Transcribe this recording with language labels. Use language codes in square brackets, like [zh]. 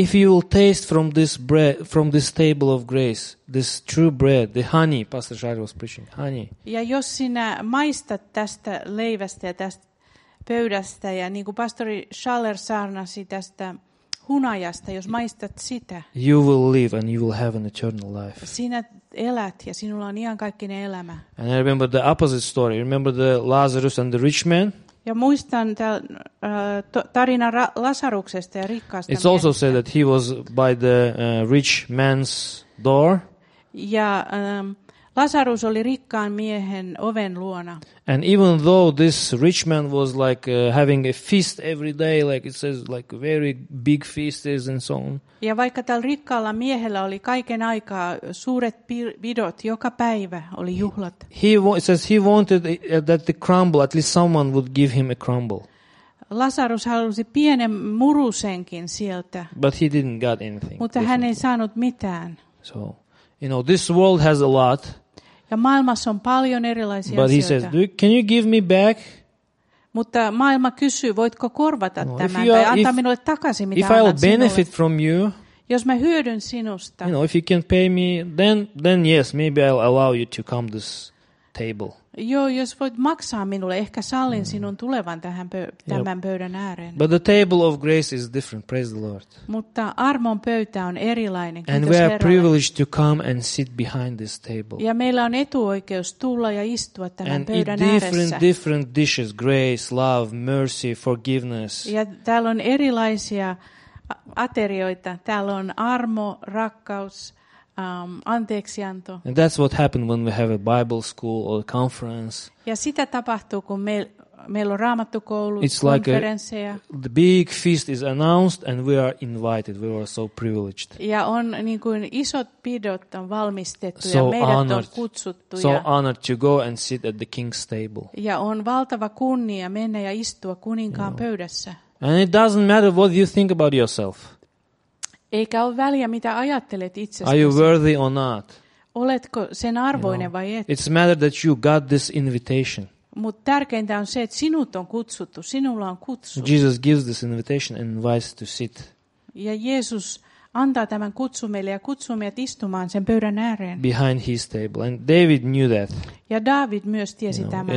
[en] If you will taste from this bread, from this table of grace, this true bread, the honey, Pastor Charles was preaching, honey. [fi] Ja jos sinä maistat tästä leivästä ja tästä pöydästä ja niin kuin Pastori Schaller saarnasi tästä hunajasta, jos maistat sitä. [en] You will live and you will have an eternal life. [fi] Sinä elät ja sinulla on iankaikkinen elämä. [en] And I remember the opposite story. Remember the Lazarus and the rich man? [fi] Ja muistan tarina Lasaruksesta ja rikkaasta. [en] It's also said that he was by the rich man's door. [fi] Ja Lasarus oli rikkaan miehen oven luona. [en] And even though this rich man was like having a feast every day, like it says, like very big feasts and so on. [fi] Ja vaikka tällä rikkaalla miehellä oli kaiken aikaa suuret pidot, joka päivä oli juhlat. [en] He says he wanted that the crumble, at least someone would give him a crumble. [fi] Lasarus halusi pienen murusenkin sieltä. [en] But he didn't got anything. [fi] Mutta hän ei saanut mitään. [en] So, you know, this world has a lot. [fi] Ja maailmassa on paljon erilaisia [en] but [fi] asioita. [en] But he says, can you give me back? [fi] Mutta maailma kysyy, voitko korvata no, tämän tai antaa minulle takaisin, mitä annat sinulle. [en] If I benefit from you, [fi] jos mä hyödyn sinusta. [en] You know, if you can pay me, then yes, maybe I'll allow you to come this table. [fi] Joo, jos voit maksaa minulle, ehkä sallin sinun tulevan tähän tämän pöydän ääreen. [en] But the table of grace is different, praise the Lord. [fi] Mutta armon pöytä on erilainen. [en] And we are privileged to come and sit behind this table. [fi] Ja meillä on etuoikeus tulla ja istua tämän [en] and [fi] pöydän ääressä. [en] Different dishes, grace, love, mercy, forgiveness. [fi] Ja täällä on erilaisia aterioita. Täällä on armo, rakkaus. Anteeksianto. [en] And that's what happened when we have a Bible school or a conference. [fi] Ja sitä tapahtuu, kun meillä on raamattukoulu, [en] it's like [fi] konferensseja. [en] The big feast is announced and we are invited. We are so privileged. [fi] Ja on niin kuin isot pidot on valmistettu [en] so [fi] ja meidät [en] honored, [fi] on kutsuttu. [en] So [fi] ja [en] honored to go and sit at the king's table. [fi] Ja on valtava kunnia mennä ja istua kuninkaan pöydässä. [en] And it doesn't matter what you think about yourself. [fi] Eikä ole väliä, mitä ajattelet itsestäsi. [en] Are you worthy or not? [fi] Oletko sen arvoinen vai et? [en] It's a matter that you got this invitation. [fi] Mutta tärkeintä on se, että sinut on kutsuttu. Sinulla on kutsu. [en] Jesus gives this invitation and invites to sit. [fi] Ja Jeesus antaa tämän kutsun meille ja kutsuu meidät istumaan sen pöydän ääreen. [en] Behind his table. And David knew that. [fi] Ja David myös tiesi tämän.